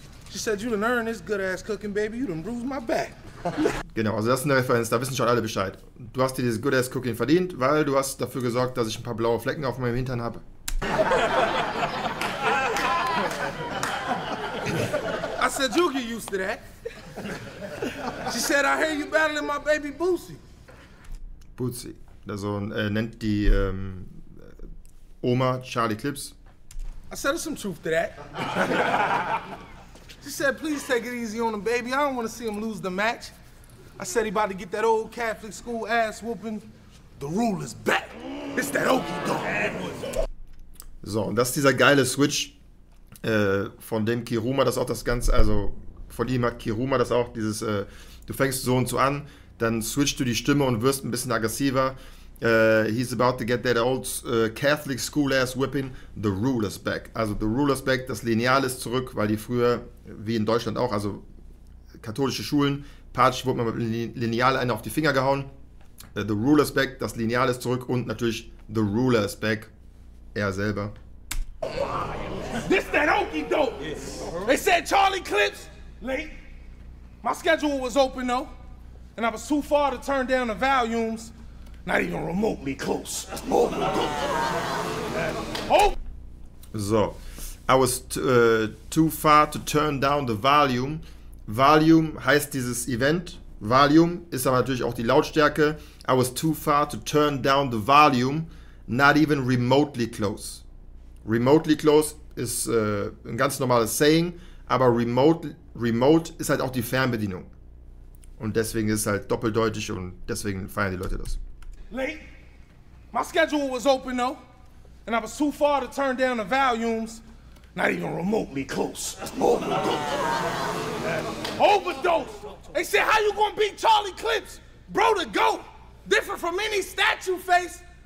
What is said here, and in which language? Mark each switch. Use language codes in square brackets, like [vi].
[en] She said, you done earned this good ass cooking, baby. You done bruised my back. [de] Genau, also das ist eine Referenz, da wissen schon alle Bescheid. Du hast dir dieses [en] Good ass cooking [de] verdient, weil du hast dafür gesorgt, dass ich ein paar blaue Flecken auf meinem Hintern habe. [en] I said, you get used to that. She said, I hear you battling my baby Boosie. [de] Bootsy, also nennt die Oma Charlie Clips. [en] I said some truth to that. She said, please take it easy on the baby. I don't want to see him lose the match. I said he about to get that old Catholic school ass whooping. The rule is back. It's that Okie dog. [de] So, und das ist dieser geile Switch von dem Kiruma, das auch das Ganze, also von ihm hat Kiruma das auch, dieses, du fängst so und so an, dann switchst du die Stimme und wirst ein bisschen aggressiver. [en] He's about to get that old Catholic school ass whipping, the rule is back. [de] Also [en] the rule is back, [de] das Lineal ist zurück, weil die früher, wie in Deutschland auch, also katholische Schulen, Patsch wurde mal mit Lineal einen auf die Finger gehauen. [en] The rule is back, [de] das Lineal ist zurück und natürlich [en] the ruler is back, [de] er selber. [en] This that okie doke. Yes. They said Charlie Clips late. My schedule was open though, and I was too far to turn down the volumes. Not even remotely close. That's more than close. Oh. So, I was too far to turn down the volume. [de] Volume heißt dieses Event. Volume ist aber natürlich auch die Lautstärke. [en] I was too far to turn down the volume. Not even remotely close. Remotely close [de] ist ein ganz normales Saying, aber remote ist halt auch die Fernbedienung. Und deswegen ist es halt doppeldeutig und deswegen feiern die Leute das. [en] Late. My schedule was open though, and I was too far to turn down the volumes. Not even remotely close. That's overdose. Overdose. They said, how you gonna beat Charlie Clips? Bro, the goat. Different from any statue face.